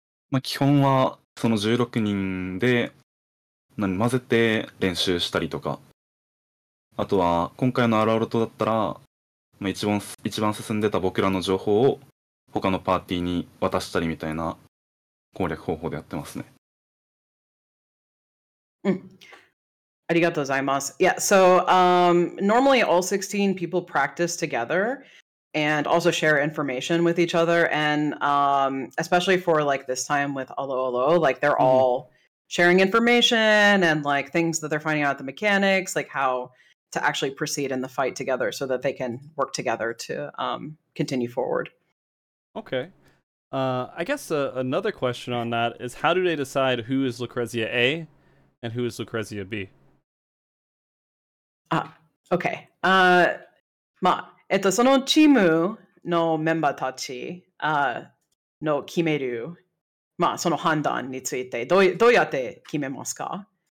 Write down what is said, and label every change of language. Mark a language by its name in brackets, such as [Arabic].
[Japanese] まあ、基本はその16人で混ぜて練習したりとか、あとは今回のアラオルトだったら、まあ、一番進んでた僕らの情報を他のパーティーに渡したりみたいな攻略方法でやってますね。うん、ありがとうございます。 [English] Yeah, so normally all 16 people practice together and also share information with each other. And especially for like this time with Alo-Alo, like they're all sharing information and like things that they're finding out the mechanics, like how to actually proceed in the fight together so that they can work together to continue forward. Okay. I guess another question on that is, how do they decide who is Lucrezia A and who is Lucrezia B? Okay. [Japanese] まあ、そのチームのメンバーたち、の決める、まあ、その判断についてどうやって決めますか？